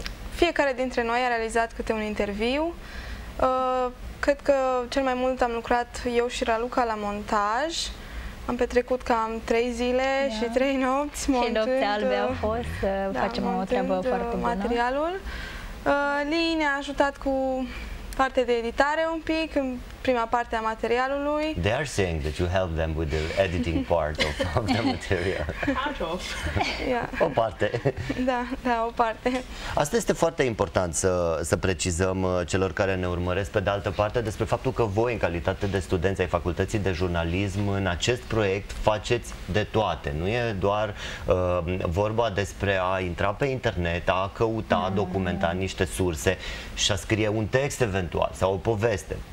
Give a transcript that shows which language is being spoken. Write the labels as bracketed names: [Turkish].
[Romanian] Fiecare dintre noi a realizat câte un interviu. Cred că cel mai mult am lucrat eu și Raluca la montaj. Am petrecut cam 3 zile și 3 nopți montând. Și nopți albe au fost să facem o treabă foarte bună. Materialul. Lee ne-a ajutat cu partea de editare un pic, în prima parte a materialului. [English] They are saying that you help them with the editing part of the material. Yeah. [Romanian] O parte. Da, o parte. Asta este foarte important să precizăm celor care ne urmăresc pe de altă parte despre faptul că voi, în calitate de studenți ai Facultății de Jurnalism, în acest proiect faceți de toate. Nu e doar vorba despre a intra pe internet, a căuta, documenta niște surse și a scrie un text eventual sau o poveste.